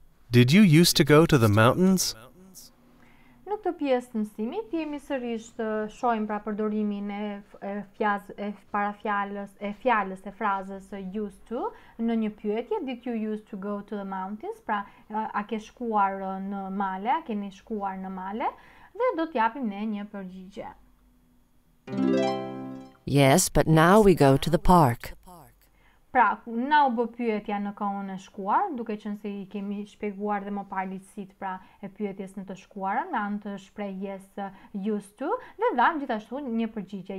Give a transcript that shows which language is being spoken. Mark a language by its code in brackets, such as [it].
[en] Did you used to go to the mountains? [sq] Në këtë pjesë të mësimit jemi sërish të shohim pra përdorimin e frazës used to në një pyetje. [en] Did you used to go to the mountains? [sq] Pra a ke shkuar në male? A keni shkuar në male? Dhe do t'japim ne një përgjigje. [en] Yes, but now we go to the park. [sq] Pra, na u bë pyetja në kohën e shkuar, duke qenë se i kemi shpjeguar dhe më parë ligjësitë pra e pyetjes në të shkuarën, me anë të shprehjes used to, dhe dhamë gjithashtu një përgjigje.